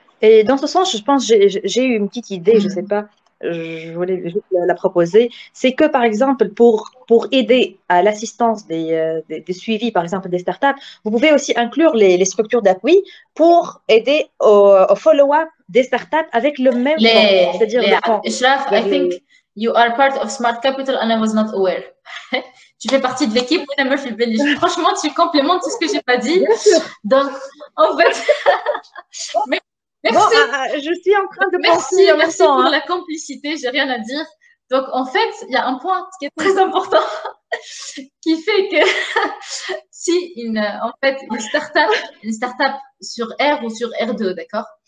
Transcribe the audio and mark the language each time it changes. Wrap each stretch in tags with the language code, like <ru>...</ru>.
<fr>Et dans ce sens, je pense que j'ai eu une petite idée, je ne sais pas, je voulais juste la proposer. C'est que, par exemple, pour aider à l'assistance des suivis, par exemple, des startups, vous pouvez aussi inclure les structures d'appui pour aider au follow-up des startups avec le même fonds, c'est-à-dire le fonds.</fr> <en>Eshraf, I think you are part of Smart Capital and I was not aware.</en> <fr>Tu fais partie de l'équipe, oui, la meuf, je suis belle. Franchement, tu complémentes tout ce que je n'ai pas dit. Donc, en fait. Merci. Bon, je suis en train de penser. Merci pour la complicité, je n'ai rien à dire. Donc, en fait, il y a un point qui est très important qui fait que si une start-up sur R ou sur R2, d'accord?</fr>